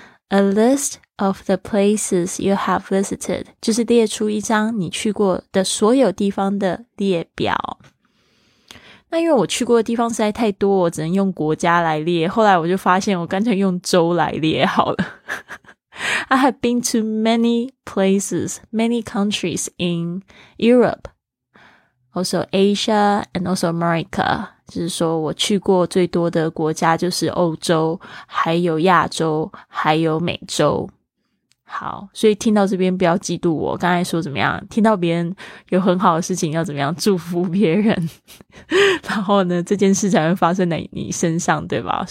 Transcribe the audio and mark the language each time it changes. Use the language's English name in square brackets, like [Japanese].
[English] A list of the places you have visited [Chinese] 就是列出一张你去过的所有地方的列表。那因为我去过的地方实在太多，我只能用国家来列，后来我就发现我干脆用州来列好了。 [English] I have been to many places, many countries in Europe, also Asia, and also America. [Chinese] 就是说我去过最多的国家就是欧洲，还有亚洲，还有美洲。好，所以听到这边不要嫉妒我，刚才说怎么样，听到别人有很好的事情要怎么样祝福别人，然后呢，这件事才会发生在你身上，对吧？